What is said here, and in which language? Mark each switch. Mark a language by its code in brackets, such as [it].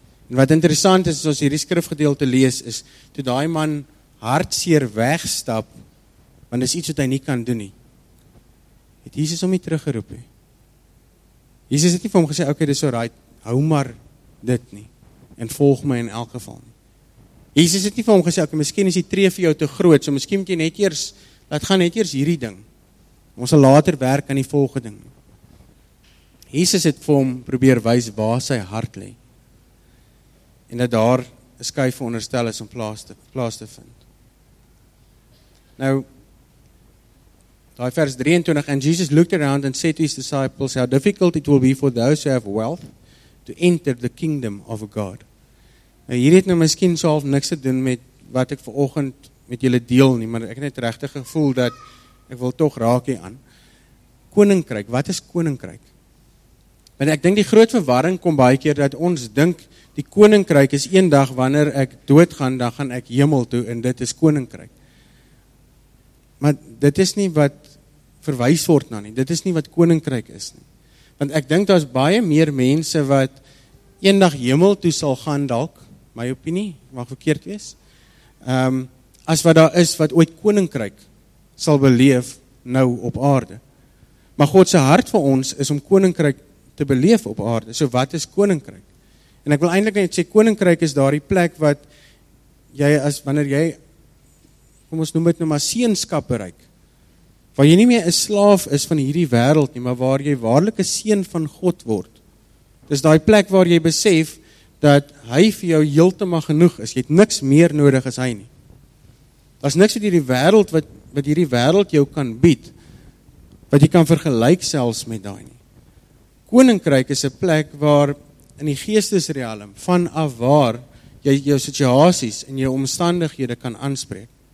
[af] En wat interessant is, as ons hierdie skrifgedeelte lees, is toe die man hartseer wegstap, want is iets wat hy nie kan doen nie, het Jesus hom nie teruggeroep nie. Jesus het nie vir hom gesê, okay, dis alright, hou maar dit nie, en volg my in elk geval nie. Jesus het nie vir hom gesê, ok, miskien is die tree vir jou te groot, so miskien moet jy net eers, laat gaan net eers hierdie ding. Ons sal later werk aan die volgende ding. Jesus het vir hom probeer wys waar sy hart lê, en dat daar een skuif veronderstel is om plaas te vind. Nou, daai vers 23, [en] and Jesus looked around and said to his disciples, how difficult it will be for those who have wealth, to enter the kingdom of God. [af] Nou, hier het nou miskien so half niks te doen met wat ek vanoggend met julle deel nie, maar ek het regtig gevoel dat ek wil toch raak hier aan. Koninkryk, wat is koninkryk? Want ek dink die groot verwarring kom baie keer dat ons dink die koninkryk is een dag wanneer ek dood gaan, dan gaan ek hemel toe en dit is koninkryk. Maar dit is nie wat verwys word na nie, dit is nie wat koninkryk is nie. Want ek dink daar is baie meer mense wat eendag hemel toe sal gaan dalk, my opinie, mag verkeerd wees, as wat daar is wat ooit koninkryk sal beleef nou op aarde. Maar God se hart vir ons is om koninkryk te beleef op aarde. So wat is koninkryk? En ek wil eindelijk net sê, koninkryk is daardie plek wat jy as, wanneer jy, kom ons noem het nou maar seenskap bereik, waar jy nie meer een slaaf is van hierdie wereld nie, maar waar jy waarlik een seun van God word. Dis die plek waar jy besef, dat hy vir jou heeltemal genoeg is, jy het niks meer nodig as hy nie. Dat is niks wat hierdie wereld, wat hierdie wereld jou kan bied, wat jy kan vergelyk selfs met daai nie. Koninkryk is een plek waar, in die geestesrealm, vanaf waar, jy jou situasies en jou omstandighede kan aanspreek.